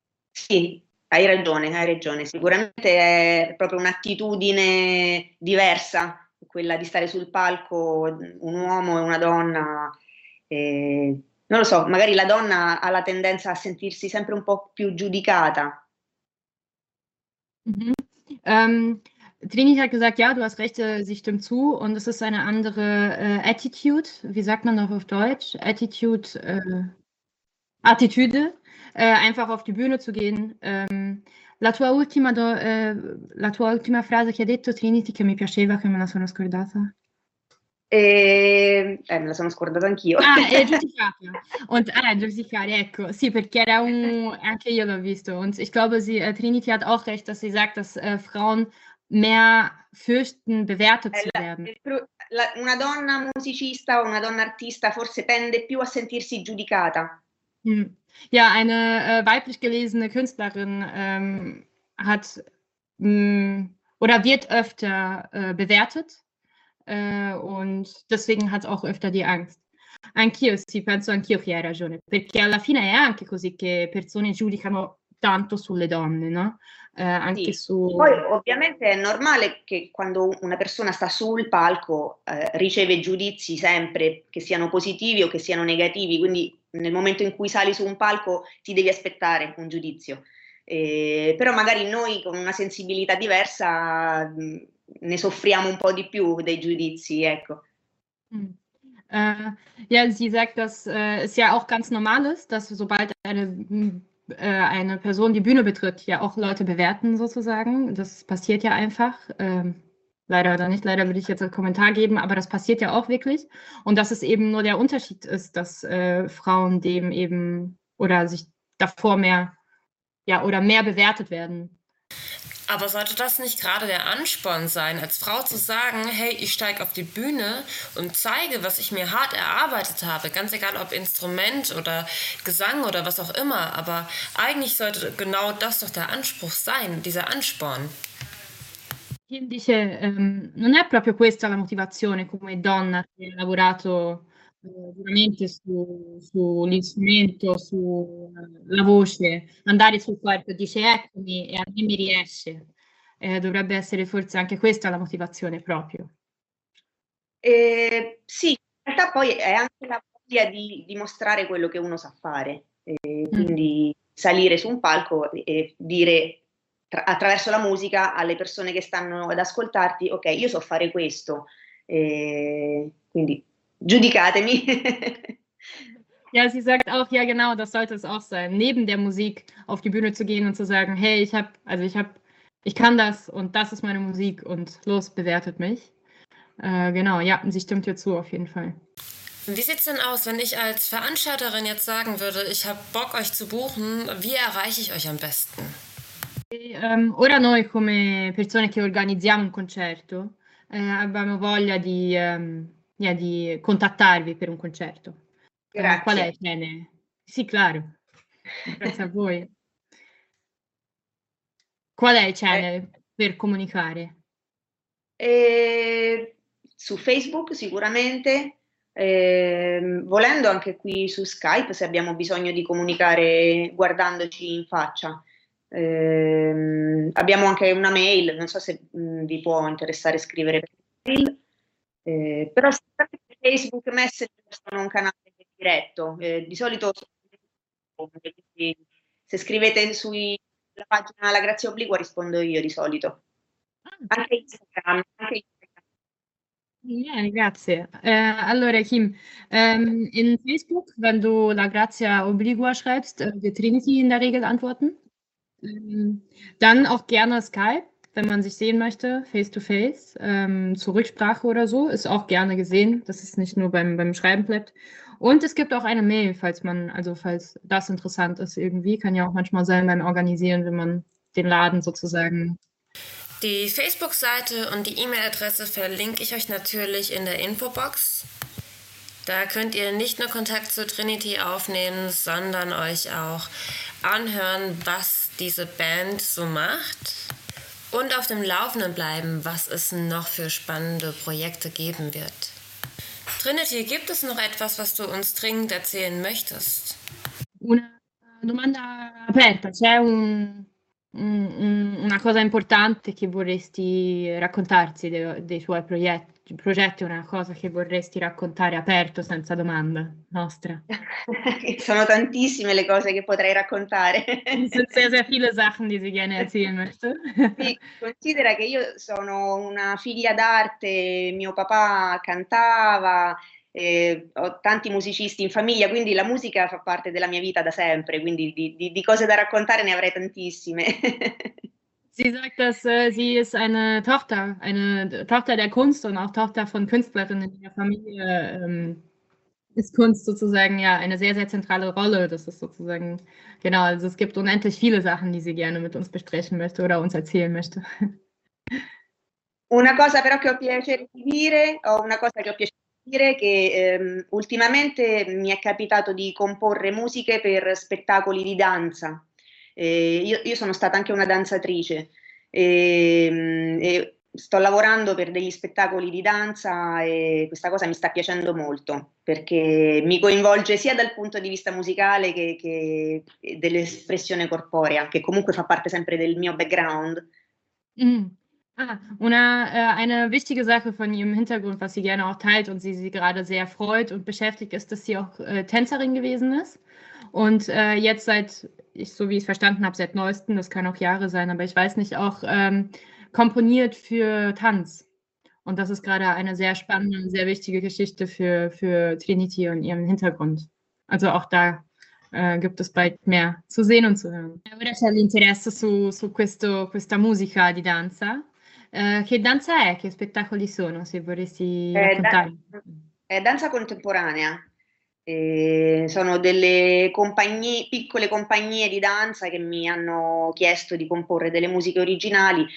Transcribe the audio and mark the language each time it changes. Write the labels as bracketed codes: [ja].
[it] Sì, hai ragione, sicuramente è proprio un'attitudine diversa quella di stare sul palco, un uomo e una donna, non lo so, magari la donna ha la tendenza a sentirsi sempre un po' più giudicata. Mm-hmm. [de] Trinity hat gesagt, ja, du hast recht, sie stimmt zu und es ist eine andere Attitude, wie sagt man noch auf Deutsch? Attitude, Attitude, einfach auf die Bühne zu gehen. [it] La tua ultima frase che hai detto, Trinity, che mi piaceva, che me la sono scordata. Me la sono scordata anch'io. Ah, è giudicata. [de] Und, [it] ah, giudicare, ecco. Sì, perché era un... anche io l'ho visto. [de] Und ich glaube, sie, Trinity hat auch recht, dass sie sagt, dass Frauen mehr fürchten, bewertet zu werden. [it] Una donna musicista o una donna artista forse tende più a sentirsi giudicata. [de] Ja, eine weiblich gelesene Künstlerin hat oder wird öfter bewertet und deswegen hat auch öfter die Angst. [it] Anch'io, sì, penso anch'io che hai ragione, perché alla fine è anche così che persone giudicano tanto sulle donne, no? Anche Su... Poi ovviamente è normale che quando una persona sta sul palco riceve giudizi sempre, che siano positivi o che siano negativi, quindi nel momento in cui sali su un palco ti devi aspettare un giudizio. Però magari noi con una sensibilità diversa ne soffriamo un po' di più dei giudizi, ecco. [de] Ja, sie sagt, dass es ja auch ganz normal ist, dass sobald eine Person die Bühne betritt, ja auch Leute bewerten sozusagen. Das passiert ja einfach. Leider oder nicht, leider würde ich jetzt einen Kommentar geben, aber das passiert ja auch wirklich. Und dass es eben nur der Unterschied ist, dass Frauen dem eben oder sich davor mehr, ja, oder mehr bewertet werden. Aber sollte das nicht gerade der Ansporn sein, als Frau zu sagen, hey, ich steige auf die Bühne und zeige, was ich mir hart erarbeitet habe, ganz egal ob Instrument oder Gesang oder was auch immer, aber eigentlich sollte genau das doch der Anspruch sein, dieser Ansporn. [it] Kim dice, non è proprio questa la motivazione come donna che ha lavorato veramente sull'istrumento, sulla voce, andare sul palco, dice eccomi e a me mi riesce, dovrebbe essere forse anche questa la motivazione proprio. Sì, in realtà poi è anche la voglia di dimostrare quello che uno sa fare, quindi salire su un palco e dire attraverso la musica alle persone che stanno ad ascoltarti, ok, io so fare questo, quindi giudicatemi. [de] Ja, sie sagt auch, ja genau, das sollte es auch sein, neben der Musik auf die Bühne zu gehen und zu sagen, hey, ich kann das und das ist meine Musik und los, bewertet mich. Genau, ja, sie stimmt hier zu auf jeden Fall. Wie sieht es denn aus, wenn ich als Veranstalterin jetzt sagen würde, ich habe Bock, euch zu buchen, wie erreiche ich euch am besten? [it] Ora noi come persone che organizziamo un concerto abbiamo voglia di contattarvi per un concerto. Grazie. Qual è il bene? Sì, [es] claro. [it] Grazie a voi. Qual è il channel per comunicare? Su Facebook sicuramente, volendo anche qui su Skype se abbiamo bisogno di comunicare guardandoci in faccia. Abbiamo anche una mail, non so se vi può interessare scrivere per mail, però Facebook Messenger sono un canale diretto, di solito se scrivete sulla pagina La Grazia Obliqua rispondo io di solito, anche Instagram, anche Instagram. Yeah, grazie. Allora [de] Kim, in Facebook wenn du La Grazia Obliqua schreibst, wird Trinity in der Regel antworten. Dann auch gerne Skype, wenn man sich sehen möchte, face-to-face, zur Rücksprache oder so, ist auch gerne gesehen, dass es nicht nur beim Schreiben bleibt. Und es gibt auch eine Mail, falls das interessant ist irgendwie, kann ja auch manchmal sein beim Organisieren, wenn man den Laden sozusagen... Die Facebook-Seite und die E-Mail-Adresse verlinke ich euch natürlich in der Infobox. Da könnt ihr nicht nur Kontakt zu Trinity aufnehmen, sondern euch auch anhören, was diese Band so macht und auf dem Laufenden bleiben, was es noch für spannende Projekte geben wird. Trinity, gibt es noch etwas, was du uns dringend erzählen möchtest? [it] Una domanda aperta. C'è una cosa importante che vorresti raccontarsi dei tuoi progetti? Progetti, una cosa che vorresti raccontare aperto, senza domanda nostra? Sono tantissime le cose che potrei raccontare. Sono [de] sehr viele Sachen, die sie gerne erzählen möchte. [it] Considera che io sono una figlia d'arte, mio papà cantava, ho tanti musicisti in famiglia, quindi la musica fa parte della mia vita da sempre, quindi di cose da raccontare ne avrei tantissime. [de] Sie sagt, dass sie ist eine Tochter der Kunst und auch Tochter von Künstlerinnen in der Familie. Ist Kunst sozusagen ja eine sehr, sehr zentrale Rolle. Das ist sozusagen, genau, also es gibt unendlich viele Sachen, die sie gerne mit uns besprechen möchte oder uns erzählen möchte. [it] Una cosa però che ho piacere di dire, o una cosa che ho piacere di dire, che ultimamente mi è capitato di comporre musiche per spettacoli di danza. Io sono stata anche una danzatrice e sto lavorando per degli spettacoli di danza e questa cosa mi sta piacendo molto perché mi coinvolge sia dal punto di vista musicale che dell'espressione corporea, che comunque fa parte sempre del mio background. Mm. [de] Ah, eine wichtige Sache von ihrem Hintergrund, was sie gerne auch teilt und sie sich gerade sehr freut und beschäftigt, ist, dass sie auch Tänzerin gewesen ist. Und jetzt seit, ich so wie ich es verstanden habe, seit neuestem, das kann auch Jahre sein, aber ich weiß nicht, auch komponiert für Tanz. Und das ist gerade eine sehr spannende, sehr wichtige Geschichte für Trinity und ihren Hintergrund. Also auch da gibt es bald mehr zu sehen und zu hören. [it] Ora c'è l'interesse su questa musica di danza. Che danza è? Che spettacoli sono, se vorresti raccontare? È danza contemporanea. Sono delle piccole compagnie di danza che mi hanno chiesto di comporre delle musiche originali.